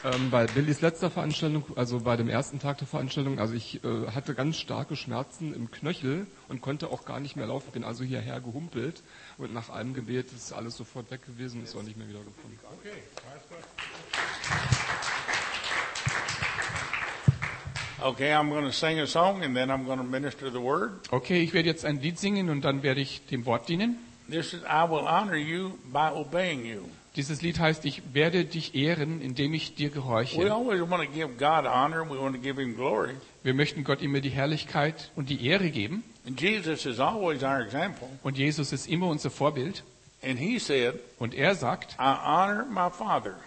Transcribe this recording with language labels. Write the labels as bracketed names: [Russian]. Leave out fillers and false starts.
[German] Bei Billys letzter Veranstaltung, also bei dem ersten Tag der Veranstaltung, also ich hatte ganz starke Schmerzen im Knöchel und konnte auch gar nicht mehr laufen, bin also hierher gehumpelt und nach einem Gebet ist alles sofort weg gewesen, ist auch nicht mehr wiedergekommen. [English] Okay, I'm going to sing a song and then I'm going to minister the word. [German] Okay, ich werde jetzt ein Lied singen und dann werde ich dem Wort dienen. [English] This is, I will honor you by obeying you. [German] Dieses Lied heißt, ich werde dich ehren, indem ich dir gehorche. [English] We always want to give God honor, we want to give him glory. [German] Wir möchten Gott immer die Herrlichkeit und die Ehre geben. [English] And Jesus is always our example. [German] Und Jesus ist immer unser Vorbild. [English] And he said, [German] und er sagt, [English] I honor my father.